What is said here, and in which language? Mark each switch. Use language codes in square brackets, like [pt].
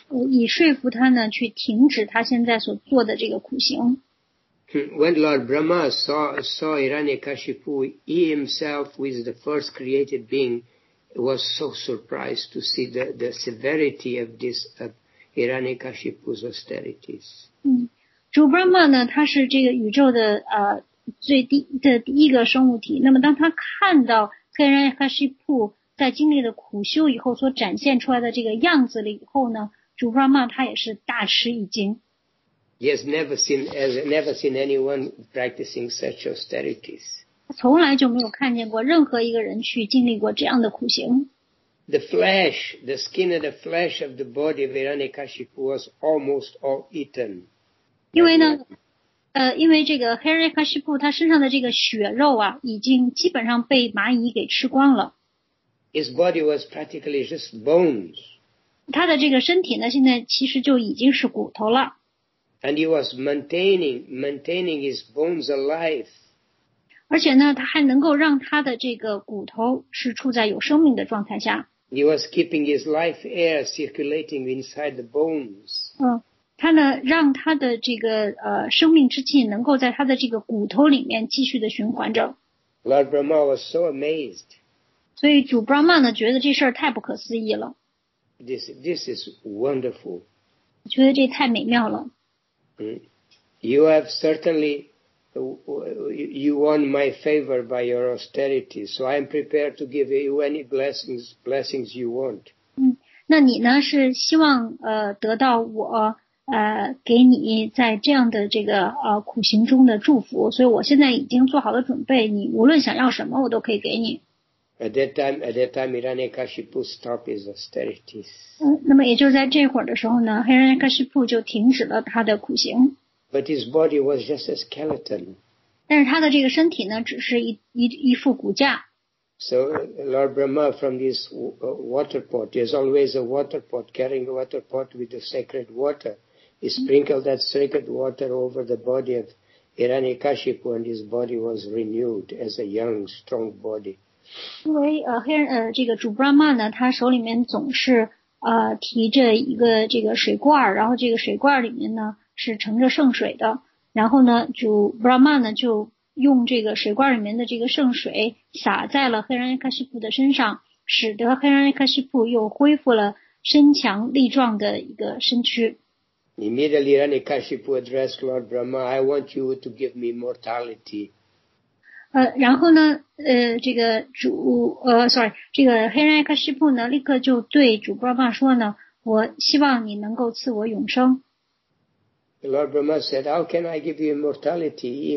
[zh] 以说服他呢去停止他现在所做的这个苦行。 [en] When Lord Brahma saw Hiranyakashipu, he himself, who is the first created being, was so surprised to see the severity of this of Hiranyakashipu's austerities. [zh] 主 Brahma 呢，他是这个宇宙的最低的第一个生物体。那么当他看到 Hiranyakashipu 在经历了苦修以后所展现出来的这个样子了以后呢，主 Brahma 他也是大吃一惊。 [en] He has never seen anyone practicing such austerities. [zh] 从来就没有看见过任何一个人去经历过这样的苦行。 [en] The flesh, the skin and the flesh of the body of Hiranyakashipu was almost all eaten. [zh] 因为呢，因为这个 Hiranyakashipu 他身上的这个血肉啊已经基本上被蚂蚁给吃光了。 [en] His body was practically just bones. [zh] 他的这个身体呢现在其实就已经是骨头了。 [en] And he was maintaining his bones alive. [zh] 而且呢他还能够让他的这个骨头是处在有生命的状态下。 [en] He was keeping his life air circulating inside the bones. [zh] 嗯他呢让他的这个生命之气能够在他的这个骨头里面继续的循环着。 [en] Lord Brahma was so amazed. [zh] 所以主 Brahma 呢觉得这事儿太不可思议了。 [en] This is wonderful. [zh] 觉得这太美妙了。 [en] You have certainly, you won my favor by your austerity, so I am prepared to give you any blessings you want. [zh] 那你呢是希望得到我给你在这样的这个苦行中的祝福，所以我现在已经做好了准备，你无论想要什么，我都可以给你。 [en] At that time, Hiranyakashipu stopped his austerities. [zh] 那么也就在这会儿的时候呢 ，Hiranyakashipu 就停止了他的苦行。 [en] But his body was just a skeleton. [zh] 但是他的这个身体呢，只是一副骨架。 [en] So Lord Brahma from this water pot, there's always a water pot, carrying a water pot with the sacred water. He sprinkled that sacred water over the body of Hiranyakashipu and his body was renewed as a young, strong body. [zh] 因为这个主 Brahma 呢他手里面总是提着一个这个水罐，然后这个水罐里面呢是盛着圣水的，然后呢主 Brahma 呢就用这个水罐里面的这个圣水洒在了黑人艾克西普的身上，使得黑人艾克西普又恢复了身强力壮的一个身躯。 [en] Immediately, Hiranyakashipu addressed Lord Brahma, "I want you to give me mortality." [zh] 然后呢，这个主，这个黑人艾克西普呢，立刻就对主 Brahma 说呢，我希望你能够赐我永生。 [en] Lord Brahma said, "How can I give you immortality?